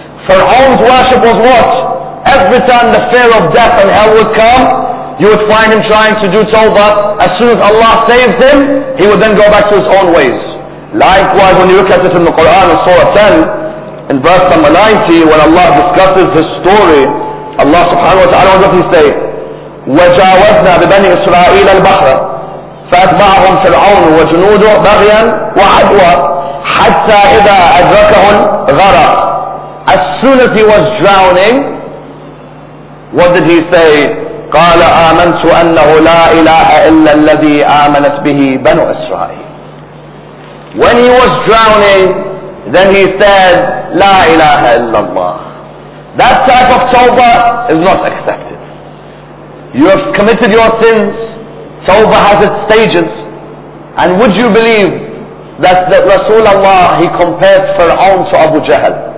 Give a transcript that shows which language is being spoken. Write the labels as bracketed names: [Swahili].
[English] Fir'aun's worship was what? Every time the fear of death and hell would come, you would find him trying to do tawbah. As soon as Allah saved him, he would then go back to his own ways. Likewise, when you look at it in the Quran, in Surah 10, in verse number 90, when Allah discusses his story, Allah subhanahu wa ta'ala, what does he say? [Arabic] وَجَاوَزْنَا بِبَنِي إِسْرَائِيلَ الْبَحْرَ فأتبعهم فرعون وجنوده بغيا وعدوى حتى إذا أدركه الغرق. [English] As soon as he was drowning, what did he say? [Arabic] قال آمنت أنه لا إله إلا الذي آمنت به بنو إسرائيل. [English] When he was drowning, then he said, [Arabic] لا إله إلا الله. [English] That type of tawbah is not accepted. You have committed your sins. Tawbah has its stages. And would you believe that Rasulullah, he compared Fir'aun to Abu Jahl.